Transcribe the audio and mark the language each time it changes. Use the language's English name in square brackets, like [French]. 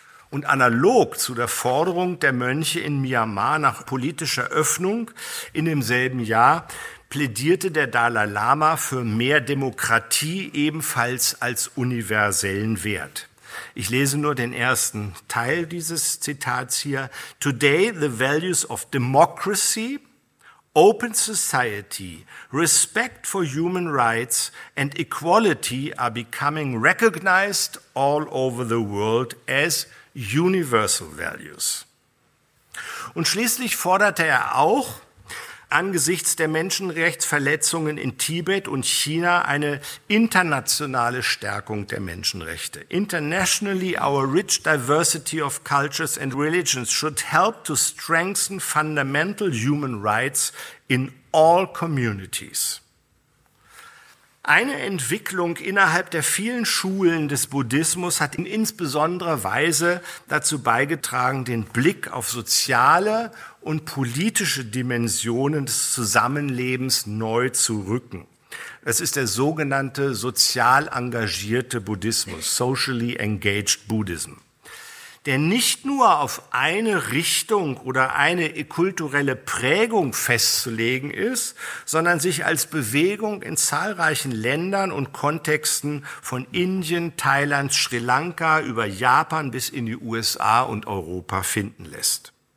[German] Und analog zu der Forderung der Mönche in Myanmar nach politischer Öffnung in demselben Jahr plädierte der Dalai Lama für mehr Demokratie ebenfalls als universellen Wert. Ich lese nur den ersten Teil dieses Zitats hier. [English] Today the values of democracy, open society, respect for human rights and equality are becoming recognized all over the world as universal values. [German] Und schließlich forderte er auch, angesichts der Menschenrechtsverletzungen in Tibet und China, eine internationale Stärkung der Menschenrechte. [English] Internationally, our rich diversity of cultures and religions should help to strengthen fundamental human rights in all communities. [German] Eine Entwicklung innerhalb der vielen Schulen des Buddhismus hat in insbesonderer Weise dazu beigetragen, den Blick auf soziale und politische Dimensionen des Zusammenlebens neu zu rücken. Es ist der sogenannte sozial engagierte Buddhismus, Socially Engaged Buddhism, der nicht nur auf eine Richtung oder eine kulturelle Prägung festzulegen ist, sondern sich als Bewegung in zahlreichen Ländern und Kontexten von Indien, Thailand, Sri Lanka über Japan bis in die USA und Europa finden lässt.